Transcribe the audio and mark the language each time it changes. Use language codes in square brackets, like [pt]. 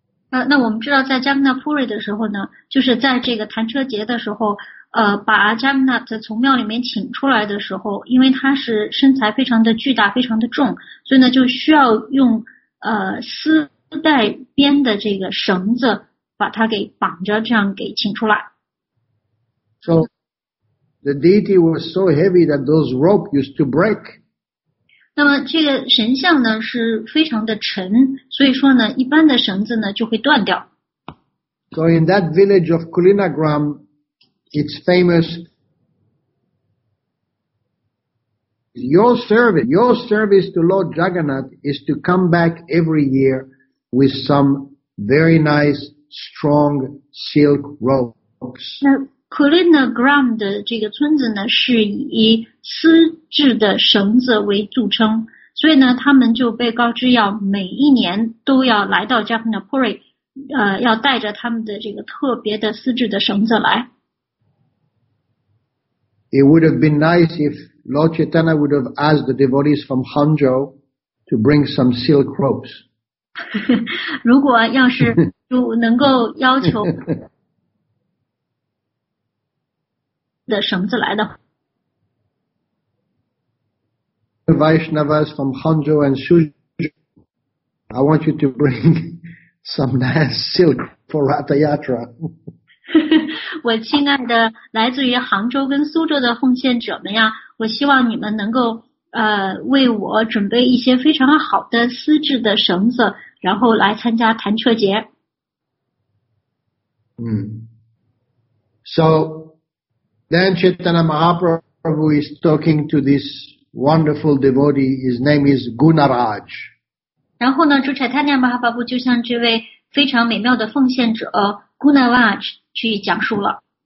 [zh] 那我们知道在 Jagannath Puri 的时候呢，就是在这个弹车节的时候，把 Jagannath 从庙里面请出来的时候，因为他是身材非常的巨大，非常的重，所以呢就需要用丝带编的这个绳子把他给绑着，这样给请出来。 [en] So the deity was so heavy that those ropes used to break. [zh] 那么这个神像呢是非常的沉，所以说呢一般的绳子呢就会断掉。 [en] So in that village of Kulinagram, it's famous. Your service to Lord Jagannath is to come back every year with some very nice, strong silk ropes. [zh] Kulinagram 的这个村子呢是以丝质的绳子为著称，所以呢他们就被告知要每一年都要来到 Jagannath Puri, 要带着他们的这个特别的丝质的绳子来。 [en] It would have been nice if Lord Chaitanya would have asked the devotees from Hangzhou to bring some silk ropes. [zh] 如果要是就能够要求的绳子来的。 [en] Vaishnavas from Hangzhou and Suzhou, I want you to bring some nice silk for Ratha Yatra. [zh] 我亲爱的来自于杭州跟苏州的奉献者们呀，我希望你们能够为我准备一些非常好的丝质的绳子，然后来参加弹车节。 [en] So then Chaitanya Mahaprabhu is talking to this wonderful devotee. His name is Gunaraj. [zh] 然后呢，主 Chaitanya Mahaprabhu 就像这位非常美妙的奉献者 Gunaraj 去讲述了。